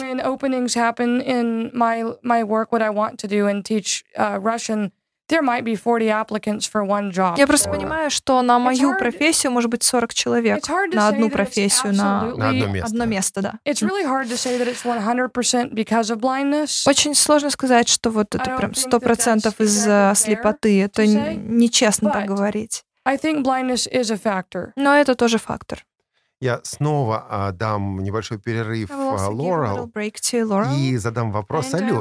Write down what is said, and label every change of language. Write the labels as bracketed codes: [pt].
[en] When openings happen in my work, what I want to do and teach Russian, there might be 40 applicants for one job. [ru] Я просто понимаю, что на мою профессию может быть 40 человек на одну профессию, на одно место, да. [en] It's really hard to say that it's 100% because of blindness. [ru] Очень сложно сказать, что вот это прям 100% из-за слепоты. Это нечестно так говорить. [en] I think blindness is a factor. [ru] Но это тоже фактор. Я снова дам небольшой перерыв Лорел и задам вопрос Алене.